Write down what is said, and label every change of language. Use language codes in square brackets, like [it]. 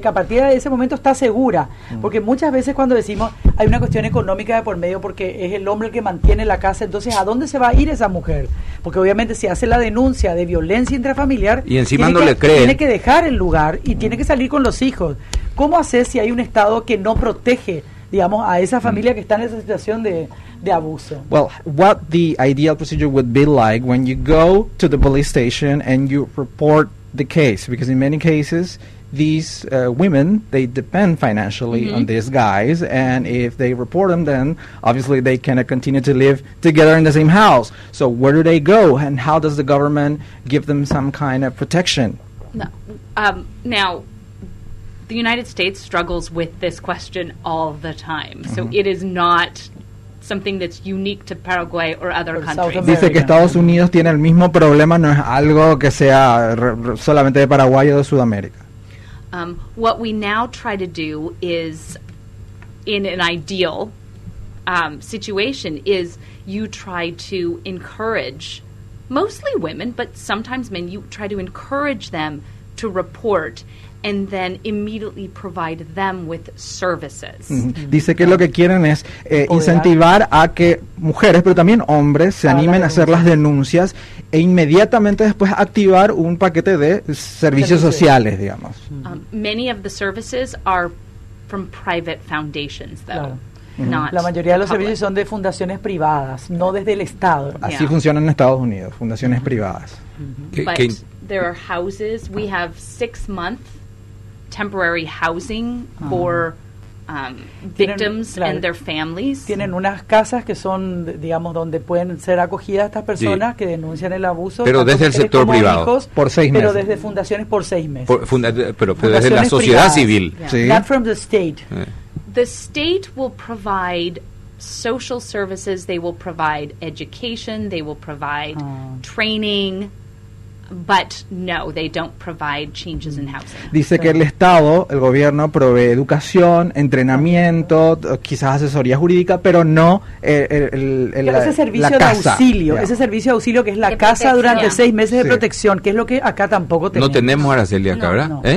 [es] Que a partir de ese momento está segura, porque muchas veces cuando decimos hay una cuestión económica de por medio porque es el hombre el que mantiene la casa, entonces ¿a dónde se va a ir esa mujer? Porque obviamente si hace la denuncia de violencia intrafamiliar y encima no le cree, tiene que dejar el lugar y tiene que salir con los hijos. ¿Cómo haces si hay un estado que no protege, digamos, a esa familia que está en esa situación de abuso? [en] Well, what the ideal procedure would be like when you go to the police station and you report the case, because in many cases these women, they depend financially on these guys, and if they report them, then obviously they cannot continue to live together in the same house. So where do they go, and how does the government give them some kind of protection? Now, the United States struggles with this question all the time, so it is not something that's unique to Paraguay or other countries. [es] Dice que Estados Unidos tiene el mismo problema, no es algo que sea solamente de Paraguay o de Sudamérica. [en] What we now try to do is, in an ideal situation, is you try to encourage, mostly women, but sometimes men, you try to encourage them to report and then immediately provide them with services. [es] Dice que lo que quieren es incentivar a que mujeres, pero también hombres, se animen a hacer las denuncias e inmediatamente después activar un paquete de servicios sociales, digamos. [en] Many of the services are from private foundations, though. [es] La mayoría de los servicios son de fundaciones privadas, no desde el Estado. Así funciona en Estados Unidos, fundaciones privadas. [en] But there are houses. We have 6 months temporary housing for victims and their families. [es] Tienen unas casas que son, digamos, donde pueden ser acogidas estas personas que denuncian el abuso. Pero desde el sector privado. Hijos, por seis meses. Pero desde fundaciones por seis meses. Pero desde la sociedad privadas. Civil. [en] Yeah. Sí. Not from the state. The state will provide social services. They will provide education. They will provide training. But no, they don't provide changes in housing. [es] Dice que el Estado, el gobierno, provee educación, entrenamiento, quizás asesoría jurídica, pero no pero ese servicio la casa, de auxilio, ese servicio de auxilio que es la de casa protección. Durante seis meses de protección, que es lo que acá tampoco tenemos. No tenemos, Araceli, acá, ¿verdad?